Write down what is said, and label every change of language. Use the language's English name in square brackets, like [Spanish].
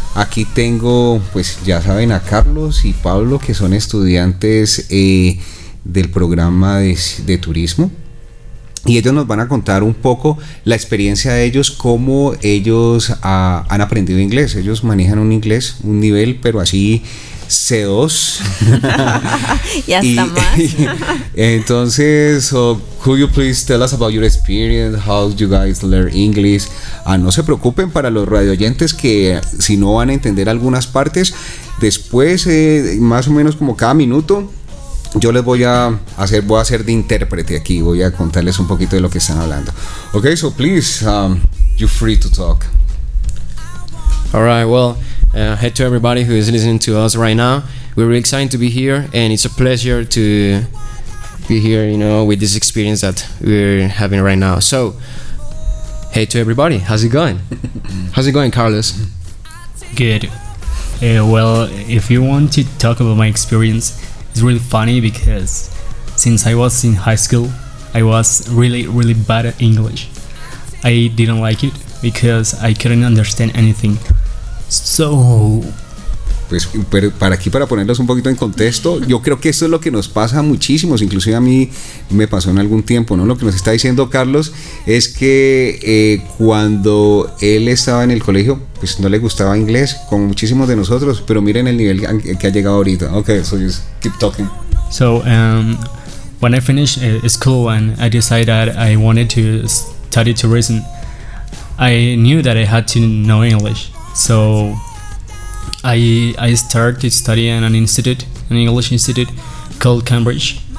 [Spanish] Aquí tengo, pues ya saben, a Carlos y Pablo, que son estudiantes del programa de turismo, y ellos nos van a contar un poco la experiencia de ellos, cómo ellos han aprendido inglés. Ellos manejan un inglés, un nivel, pero así C2. Ya está. Entonces, [English] could you please tell us about your experience, how you guys learn English? [Spanish] No se preocupen, para los radioyentes, que si no van a entender algunas partes, después más o menos como cada minuto yo les voy a hacer de intérprete aquí, voy a contarles un poquito de lo que están hablando. [English] Okay, so please, you're free to talk. All right, well, hey to everybody who is listening to us right now. We're really excited to be here, and it's a pleasure to be here, you know, with this experience that we're having right now. So, hey to everybody, how's it going? How's it going, Carlos? Good. Well, if you want to talk about my experience, it's really funny because since I was in high school, I was really, really bad at English. I didn't like it because I couldn't understand anything. So... [Spanish] Pues, pero para aquí, para ponerlos un poquito en contexto, yo creo que esto es lo que nos pasa a muchísimos, inclusive a mí me pasó en algún tiempo, ¿no? Lo que nos está diciendo Carlos es que cuando él estaba en el colegio, pues no le gustaba inglés, como muchísimos de nosotros, pero miren el nivel que ha llegado ahorita. [English] Okay, so just keep talking. So, when I finished school and I decided that I wanted to study tourism, I knew that I had to know English, so... I started studying at an institute, an English institute called Cambridge.